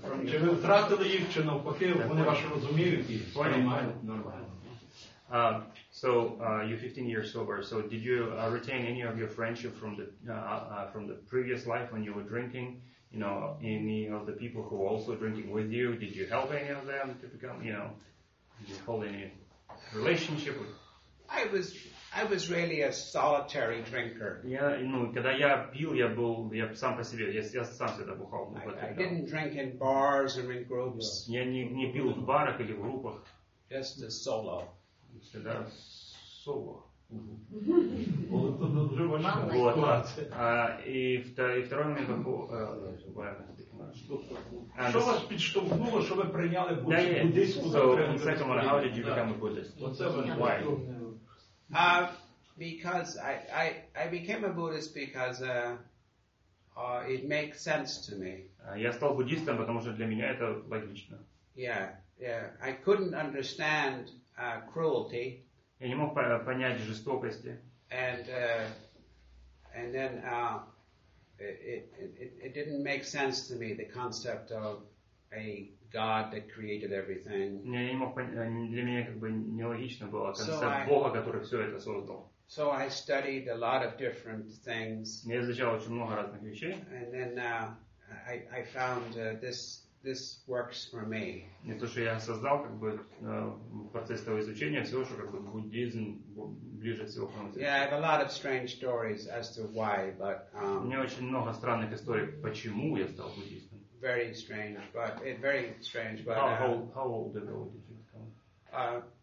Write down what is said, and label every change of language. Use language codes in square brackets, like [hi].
[uk] Чи ви втратили їх, чи навпаки, вони ваше розуміють і сприймають нормально? [en] You're 15 years sober. So did you retain any of your friendship from the previous life when you were drinking? You know, any of the people who were also drinking with you? Did you help any of them to become, you know, did you hold any... Relationship. I was really a solitary drinker. [ru] Когда я пил, я был, я сам по себе, я сам всегда бухал. [en] I didn't drink in bars or in groups. [ru] Я не пил в барах или в группах. [en] Just a solo. [ru] Всегда соло. Вот. И второй момент Что вас подтолкнуло, чтобы вы приняли буддийскую доктрину? [en] So, second one, how did you become a Buddhist? Why? Because I became a Buddhist because it makes sense to me. [ru] Я стал буддистом, потому что для меня это логично. [en] Yeah. I couldn't understand cruelty. [ru] Я не мог понять жестокости. [en] It didn't make sense to me the concept of a God that created everything. [ru] Для меня как бы нелогично было концепт Бога, который все это создал. [en] So I studied a lot of different things. [ru] Я изучал очень много разных вещей. [en] And then I found this works for me. [ru] И то, что я создал, как бы процесс того изучения всего, что как бы буддизм. [en] Yeah, I have a lot of strange stories as to why, but [ru] у меня очень много странных историй, почему я стал буддистом. [en] Very strange, but very strange, but how old did you become?